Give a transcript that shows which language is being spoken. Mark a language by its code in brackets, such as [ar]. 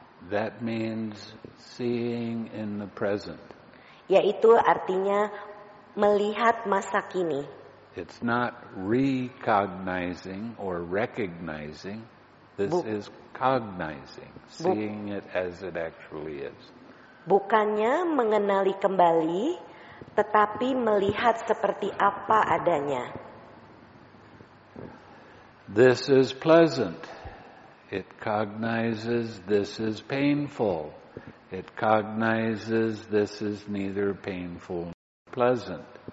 [en] That means seeing in the present. [id] Yaitu artinya melihat masa kini. [en] It's not recognizing or recognizing. This is cognizing, seeing it as it actually is. [id] Bukannya mengenali kembali, tetapi melihat seperti apa adanya. [en] This is pleasant. It cognizes this is painful. It cognizes this is neither painful nor pleasant.